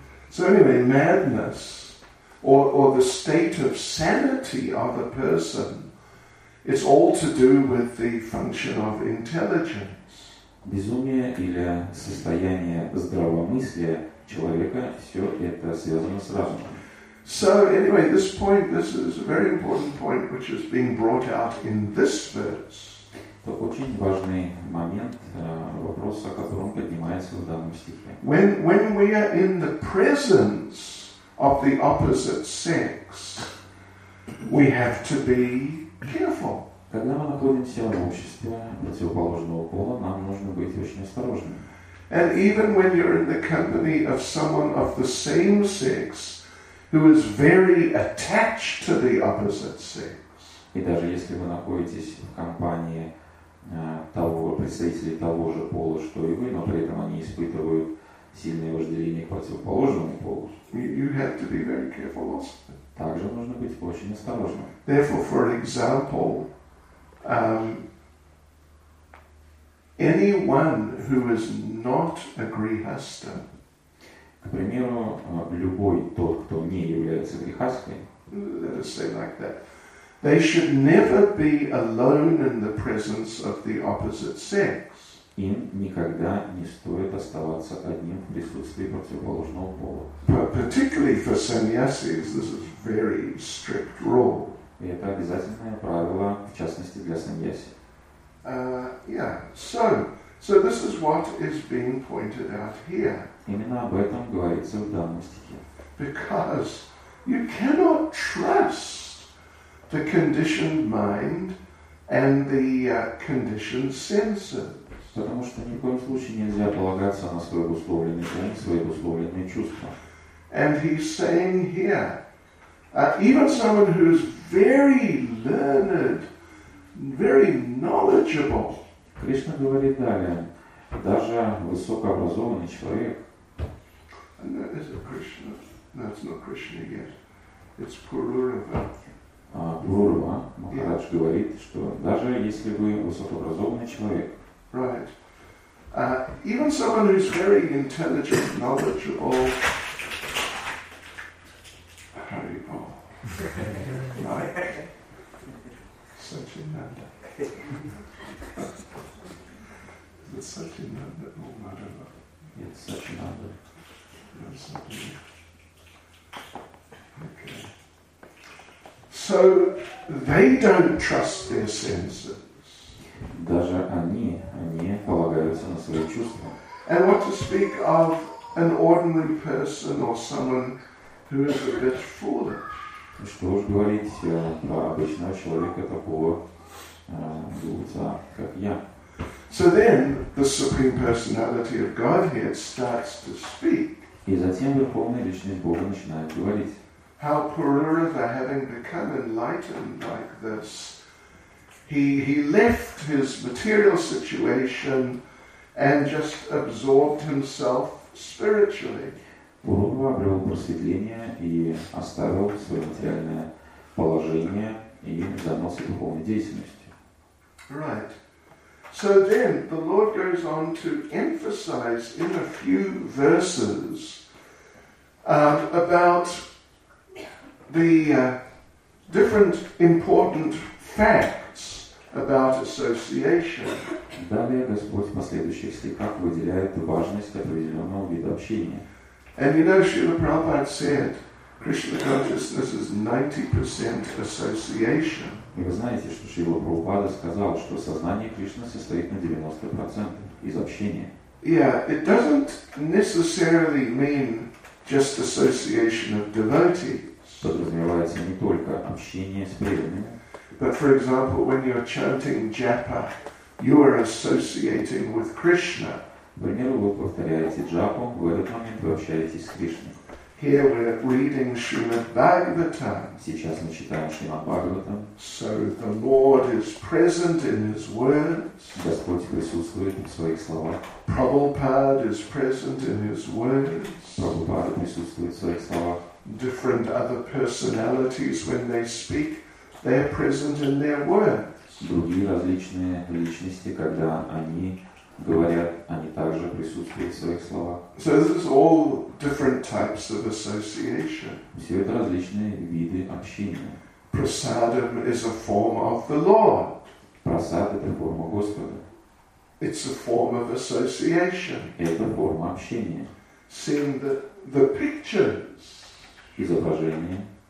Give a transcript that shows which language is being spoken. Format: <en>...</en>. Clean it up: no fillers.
<en>So anyway, madness or the state of sanity of a person, it's all to do with the function of intelligence.</en> <ru>Безумие или состояние здравомыслия человека, все это связано с разумом.</ru> <en>So anyway, this point, this is a very important point, which is being brought out in this verse.</en> <ru>Это очень важный момент, вопрос, о котором поднимается в данном стихе.</ru> <en>When we are in the presence of the opposite sex, we have to be careful.</en> <ru>Когда мы находимся в обществе противоположного пола, нам нужно быть очень осторожными.</ru> <en>And even when you're in the company of someone of the same sex, who is very attached to the opposite sex.</en> <ru>И даже если вы находитесь в компании представителей того же пола, что и вы, но при этом они испытывают сильное вожделение к противоположному полу.</ru> <en>You have to be very careful also.</en> <ru>Также нужно быть очень осторожным.</ru> <en>Therefore, for example, anyone who is not a grihastha.</en> <ru>К примеру, любой тот, кто не является грехаской,</ru> <en>let us say like that, they should never be alone in the presence of the opposite sex.</en> <ru>Им никогда не стоит оставаться одним в присутствии противоположного пола.</ru> <en>But particularly for sannyasis, this is very strict rule.</en> <ru>И это обязательное правило, в частности для sannyasi.</ru> <en>So this is what is being pointed out here.</en> <ru>Именно об этом говорится в данном стихе.</ru> <en>Because you cannot trust the conditioned mind and the conditioned senses.</en> <ru>Потому что ни в коем случае нельзя полагаться на свой обусловленный ум, свои обусловленные чувства.</ru> <en>And he's saying here, even someone who is very learned, very knowledgeable.</en> <ru>Кришна говорит далее, даже высокообразованный человек.</ru> <en>And that is a Krishna. No, it's not Krishna yet. It's Pururava.</en> <ru>Пурурава Махарадж говорит, что даже если вы высокообразованный человек.</ru> <en>Right. Even someone who's very intelligent, knowledgeable.</en> <sa>Hari Bol. Such a nanda.</sa> <en>It's such an okay. So they don't trust their senses.</en> <ru>Даже они не полагаются на свои чувства.</ru> <en>And what to speak of an ordinary person or someone who is a bit foolish.</en> <ru>Что уж говорить про обычного человека такого глупца, как я.</ru> <en>So then the Supreme Personality of Godhead starts to speak.</en> <ru>И затем Верховная Личность Бога начинает говорить.</ru> <en>How Pururava, having become enlightened like this, he left his material situation and just absorbed himself spiritually.</en> <ru>Пурурава обрел просветление и оставил свое материальное положение и занялся духовной деятельностью.</ru> <en>Right. So then the Lord goes on to emphasize in a few verses about the different important facts about association.</en> <ru>Далее Господь в последующих стихах выделяет важность определенного вида общения.</ru> <en>And you know, Srila Prabhupada said, Krishna consciousness is 90% association.</en> <ru>И вы знаете, что Шрила Прабхупада сказал, что сознание Кришны состоит на 90% из общения.</ru> <en>Yeah, it doesn't necessarily mean just association of devotees.</en> <ru>Подразумевается не только общение с преданными.</ru> <en>But for example, when you're chanting japa, you are associating with Krishna.</en> <ru>Например, вы повторяете джапу, в этот момент вы общаетесь с Кришной.</ru> <en>Here we're reading Srimad Bhagavatam.</en> <ru>Сейчас мы читаем Шримад Бхагаватам.</ru> <en>So the Lord is present in His words.</en> <ru>Господь присутствует в своих словах.</ru> <en>Prabhupada is present in His words.</en> <ru>Прабхупада присутствует в своих словах.</ru> <en>Different other personalities, when they speak, they are present in their words.</en> <ru>Другие различные личности, когда они говорят, они также присутствуют в своих словах.</ru> <en>So this is all different types of association.</en> <ru>Все это различные виды общения.</ru> <en>Prasadam is a form of the Lord.</en> <ru>Prasad — это форма Господа.</ru> <en>It's a form of association.</en> <ru>Это форма общения.</ru> <en>Seeing the pictures.</en> <ru>Изображение.</ru>